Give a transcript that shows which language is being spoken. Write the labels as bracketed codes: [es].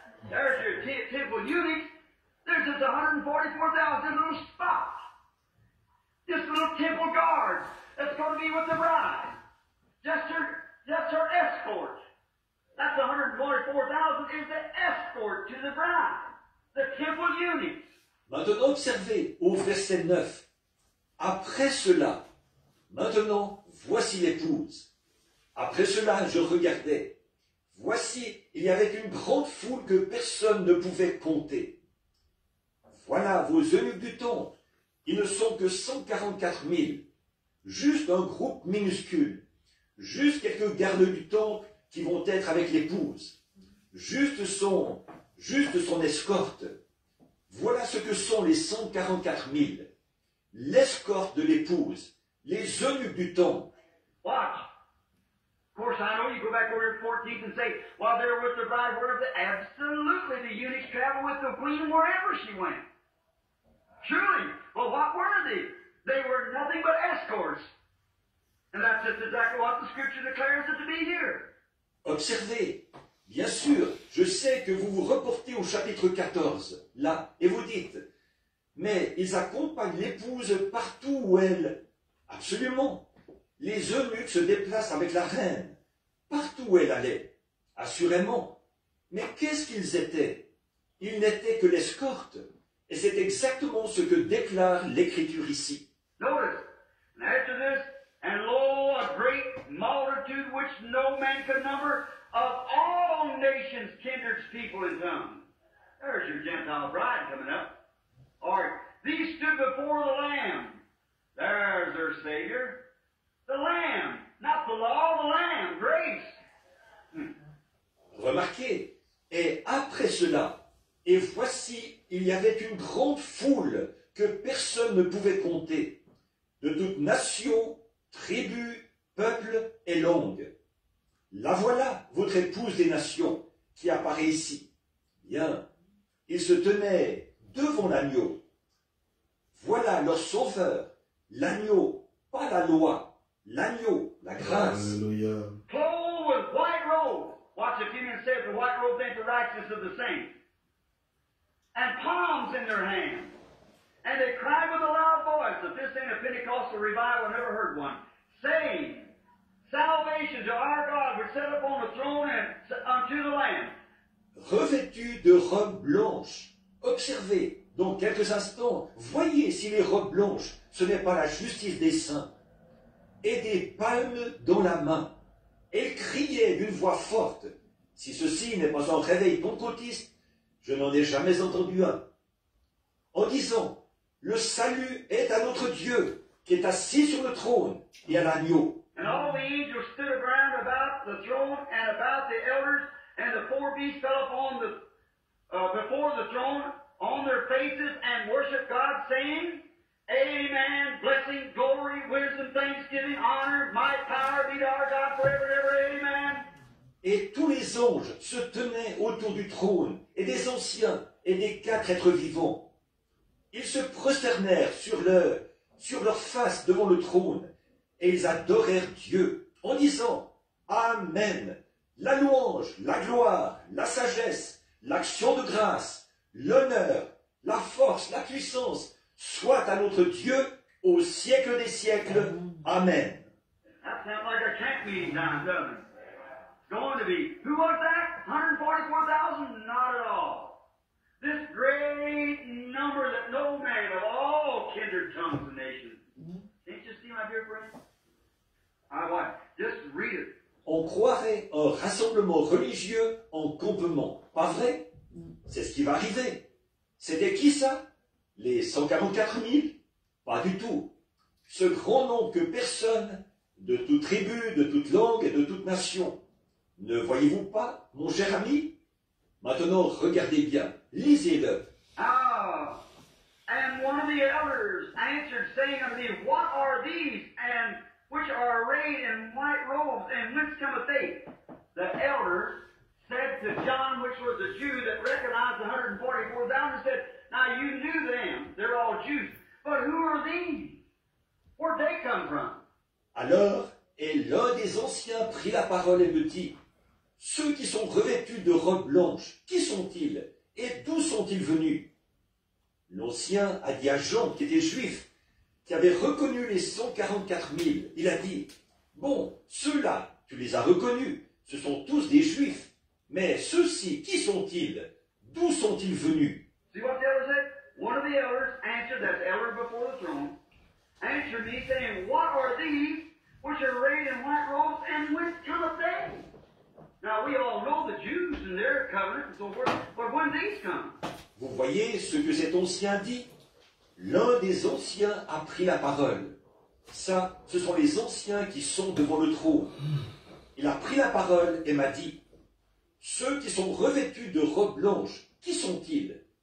[en] There's your temple eunuch. There's just 144,000 little spots. This little temple guard that's going to be with the bride. Just her escort. That's 144,000 is the escort to the bride. The temple eunuch. [fr] Maintenant observez au verset 9. Après cela, maintenant voici l'épouse. Après cela, je regardais. Voici, il y avait une grande foule que personne ne pouvait compter. Voilà vos eunuques du temple. Ils ne sont que 144 000. Juste un groupe minuscule. Juste quelques gardes du temple qui vont être avec l'épouse. Juste son escorte. Voilà ce que sont les 144 000. L'escorte de l'épouse. Les eunuques du temple. [en] Watch. Of course, I know you go back over to 14 and say, while there was the bride, absolutely the eunuchs traveled with the queen wherever she went. Truly. Well, what were they? They were nothing but escorts. And that's just exactly what the scripture declares it to be here. [fr] Observez. Bien sûr, je sais que vous vous reportez au chapitre 14, là, et vous dites, mais ils accompagnent l'épouse partout où elle. Absolument. Les eunuques se déplacent avec la reine, partout où elle allait, assurément. Mais qu'est-ce qu'ils étaient? Ils n'étaient que l'escorte. Et c'est exactement ce que déclare l'Écriture ici. [en] Notice, after this, and lo, a great multitude which no man could number, of all nations, kindreds, people, and tongues. There's your Gentile bride coming up. Or, these stood before the Lamb. There's their Savior. The Lamb, not the law, the Lamb, grace. [fr] Remarquez, et après cela, et voici, il y avait une grande foule que personne ne pouvait compter, de toute nation, tribu, peuple et langue. La voilà, votre épouse des nations, qui apparaît ici. Bien, ils se tenaient devant l'agneau. Voilà leur sauveur. L'agneau, pas la loi. L'agneau, la grâce. Alléluia. [en] Clothed with white robe. Watch if you can say the white robe ain't the righteousness of the saints. And palms in their hands. And they cried with a loud voice, if this ain't a Pentecostal revival, I never heard one, saying, salvation to our God, which sat upon the throne and unto the Lamb. [fr] Revêtus de robes blanches. Observez, dans quelques instants, voyez si les robes blanches, ce n'est pas la justice des saints. Et des palmes dans la main. Elle criait d'une voix forte. Si ceci n'est pas un réveil pentecôtiste, je n'en ai jamais entendu un. En disant, le salut est à notre Dieu, qui est assis sur le trône et à l'agneau. [en] And all the angels stood around about the throne and about the elders, and the four beasts fell upon the before the throne on their faces and worshiped God, saying, Amen, blessing, glory, wisdom, thanksgiving, honor, might, power be to our God forever and ever, Amen. [fr] Et tous les anges se tenaient autour du trône, et des anciens, et des quatre êtres vivants. Ils se prosternèrent sur leur face devant le trône, et ils adorèrent Dieu, en disant, Amen, la louange, la gloire, la sagesse, l'action de grâce, l'honneur, la force, la puissance, soit à notre Dieu au siècle des siècles. Amen. [en] That sounds like a camp meeting now, doesn't it? It's going to be. Who was that? 144,000? Not at all. This great number that no man of all kindred tongues and nations. Can't you see, my dear friend? I want. Just read it. [fr] On croirait un rassemblement religieux en campement. Pas vrai? C'est ce qui va arriver. C'était qui ça? Les 144 000? Pas du tout. Ce grand nombre que personne, de toute tribu, de toute langue et de toute nation. Ne voyez-vous pas, mon cher ami? Maintenant, regardez bien. Lisez-le. Ah! [en] And one of the elders answered, saying unto me, what are these? And which are arrayed in white robes, and whence cometh they? The elder said to John, which was a Jew that recognized the 144,000, and said, now you knew them, they're all Jews, but who are these? Where'd they come from? [fr] Alors, et l'un des anciens prit la parole et me dit, ceux qui sont revêtus de robes blanches, qui sont-ils et d'où sont-ils venus? L'ancien a dit à Jean, qui était juif, qui avait reconnu les 144 000, il a dit, bon, ceux-là, tu les as reconnus, ce sont tous des juifs, mais ceux-ci, qui sont-ils? D'où sont-ils venus? [en] See what the elders said? One of the elders answered, that's elder before the throne, answered me saying, what are these which are arrayed in white robes, and whence cometh they? Now we all know the Jews and their covenant and so forth, but when these come? [fr] Vous voyez ce que cet ancien dit? L'un des anciens a pris la parole. Ça, ce sont les anciens qui sont devant le trône. Il a pris la parole et m'a dit, ceux qui sont revêtus de robes blanches, qui sont-ils?